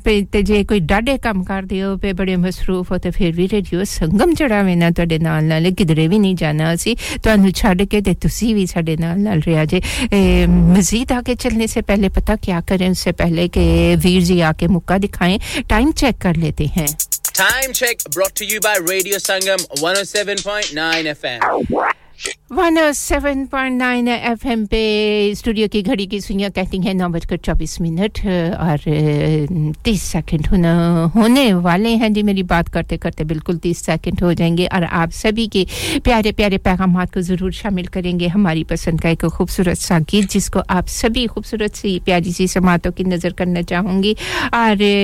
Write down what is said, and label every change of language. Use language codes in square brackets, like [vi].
[pa] تے جے کوئی ڈاڑے کام کر دے ہو پہ بڑے مصروف ہو تو پھر بھی ریڈیو سنگم چڑھا میں نہ تے نال نال کدھرے بھی نہیں جانا اسی تانوں چھڈ کے تے تسی بھی ساڈے نال نال رہیا جے مزید آ کے چلنے سے پہلے پتا کیا کریں اس سے پہلے کہ ویر جی آ کے مکہ دکھائیں ٹائم چیک کر لیتے ہیں [en] Time check brought to you by Radio Sangam 107.9 FM. [ur] 107.9 FM پہ اسٹوڈیو کی گھڑی کی سوئیاں کہتی ہیں 9:24 اور 30 سیکنڈ ہونے والے ہیں جی میری بات کرتے کرتے بالکل 30 سیکنڈ ہو جائیں گے اور آپ سبھی کے پیارے پیارے پیغامات کو ضرور شامل کریں گے ہماری پسند کا ایک خوبصورت سا گیت جس کو آپ سبھی خوبصورت سی پیاری سی سماعتوں کی نظر کرنا چاہوں گی اور